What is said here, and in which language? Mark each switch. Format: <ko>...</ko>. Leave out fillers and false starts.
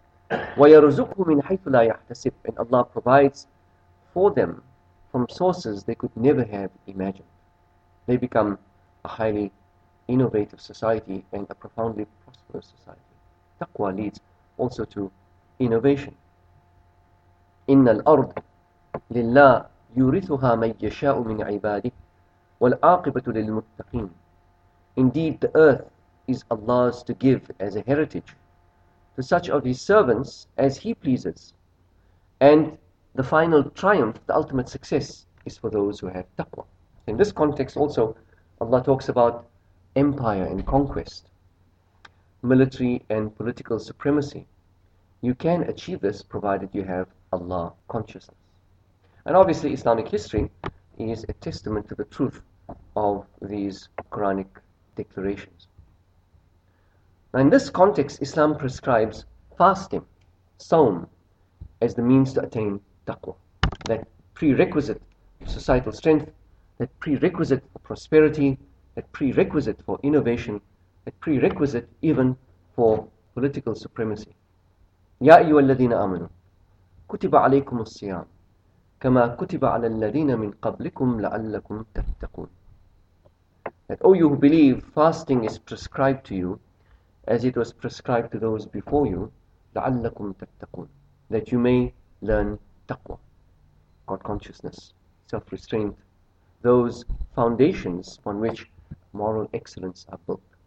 <ar>وَيَرْزُقْهُ مِنْ حَيْثُ لَا يَحْتَسِبُ,</ar> <en>and Allah provides for them from sources they could never have imagined. They become a highly innovative society and a profoundly prosperous society. Taqwa leads also to innovation.</en> <ar>إِنَّ الْأَرْضِ لله يورثها من يشاء من عباده والعاقبة للمتقين.</ar> <en>Indeed, the earth is Allah's to give as a heritage to such of His servants as He pleases, and the final triumph, the ultimate success, is for those who have taqwa. In this context also, Allah talks about empire and conquest, military and political supremacy. You can achieve this provided you have Allah consciousness. And obviously, Islamic history is a testament to the truth of these Quranic declarations. Now, in this context, Islam prescribes fasting, sawm, as the means to attain taqwa, that prerequisite for societal strength, that prerequisite for prosperity, that prerequisite for innovation, that prerequisite even for political supremacy.</en> <ar>يَا أَيُّهَا الَّذِينَ آمَنُوا كُتِبَ عَلَيْكُمُ الصِّيَامُ كما كتب على الذين من قبلكم لعلكم تتقون.</ar> <en>That, oh, you who believe, fasting is prescribed to you as it was prescribed to those before you,</en> <ar>لعلكم تتقون,</ar> <en>that you may learn taqwa, God consciousness, self restraint, those foundations on which moral excellence are built.</en>